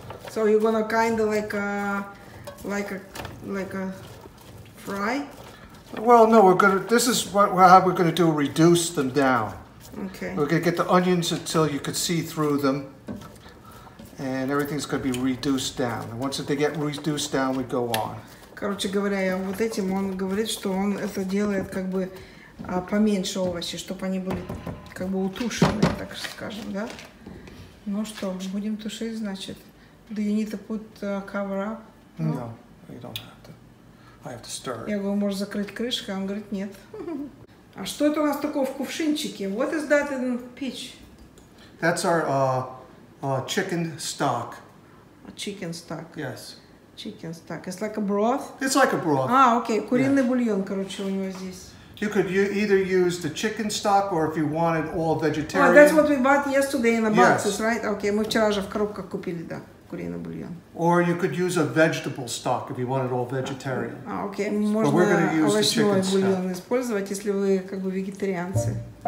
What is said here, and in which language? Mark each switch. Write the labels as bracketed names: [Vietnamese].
[English] So you're gonna kind of like a fry? Well, no, we're gonna. This is what we're gonna do. Reduce them down. Okay. We're gonna get the onions until you could see through them, and everything's gonna be reduced down. And once they get reduced down, we go on. [Russian] Короче говоря, я вот этим он говорит, что он это делает как бы поменьше овощи, чтобы они были как бы утушены, так скажем, да? Ну что, будем тушить, значит? [English] Do you need to put cover up? No, you don't have to. I have to stir it. [Russian] Я говорю, можешь закрыть крышкой? Он говорит, нет. А что это у нас такое в кувшинчике? [English] What is that in pitch? That's our chicken stock. A chicken stock? Yes. Chicken stock. It's like a broth? It's like a broth. [Russian] А, окей. Куриный бульон, короче, у него здесь. [English] You could either use the chicken stock or if you wanted all vegetarian. Oh, that's what we bought yesterday in the boxes, yes. Right? [Russian] Okay, мы вчера же в коробках купили, да. [English] Or you could use a vegetable stock if you want it all vegetarian. [Russian] Okay, можно овощной бульон использовать, если вы как бы вегетарианцы.